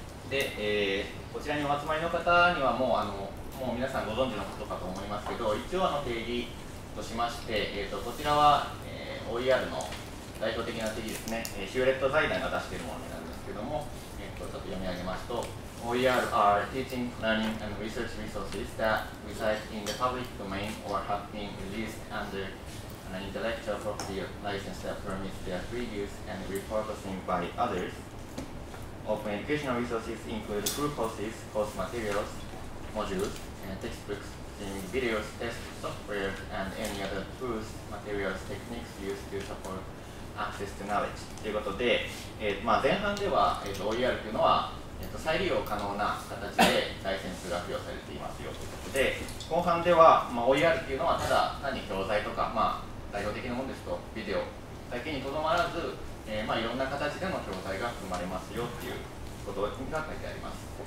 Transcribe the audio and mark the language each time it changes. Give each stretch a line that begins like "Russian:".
Japanese: で、こちらにお集まりの方にはもう皆さんご存知のことかと思いますけど、一応あの定義としまして、こちらはOER の代表的な定義ですね、ヒューレット財団が出しているものなんですけども、ちょっと読み上げますと、
English: OER are teaching, learning, and research resources that reside in the public domain or have been released under an intellectual property license that permits their free use and repurposing by others. Open educational resources include group courses, course materials, modules, and textbooks. Videos, test software, and any other tools, materials, techniques used to support access to knowledge.
Japanese: ということで、まあ、前半では、OER というのは、再利用可能な形でライセンスが付与されていますよということで、後半では、まあ、OER というのはただ単に教材とか、まあ、代表的なものですとビデオだけにとどまらず、まあ、いろんな形での教材が含まれますよということが書いてあります。